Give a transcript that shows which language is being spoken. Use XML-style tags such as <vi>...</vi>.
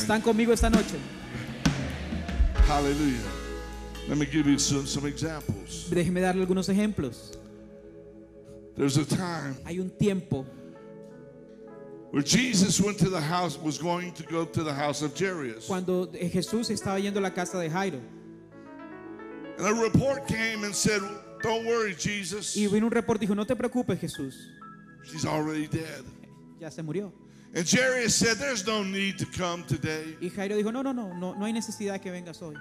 <es>¿Están conmigo esta noche?</es> <en>Hallelujah. Let me give you some examples.</en> <es>Déjeme darle algunos ejemplos.</es> <en>There's a time.</en> <es>Hay un tiempo.</es> <en>Where Jesus went to the house, was going to go to the house of Jairus.</en> <es>Cuando Jesús estaba yendo a la casa de Jairo.</es> <en>And a report came and said, "Don't worry, Jesus."</en> <es>Y vino un reporte y dijo, "No te preocupes, Jesús."</es> <en>She's already dead.</en> <es>Ya se murió.</es> <en>And Jairus said, "There's no need to come today."</en> <es>Y Jairo dijo, no hay necesidad que vengas hoy.</es>